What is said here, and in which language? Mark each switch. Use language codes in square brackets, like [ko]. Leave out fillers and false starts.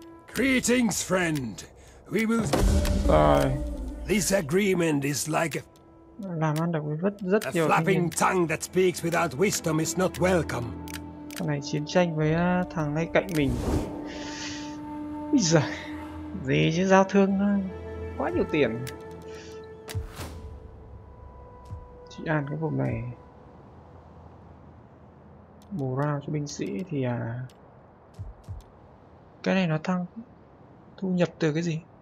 [en] Greetings, friend. We will. This agreement is like a. [vi] Làm ăn được rất rất nhiều. [en] A flapping tongue that speaks without wisdom is not welcome. [vi] Thằng này chiến tranh với thằng ngay cạnh mình. Bây giờ gì chứ giao thương quá nhiều tiền. Chị An cái vùng này morale cho binh sĩ thì à, cái này nó tăng thu nhập từ cái gì?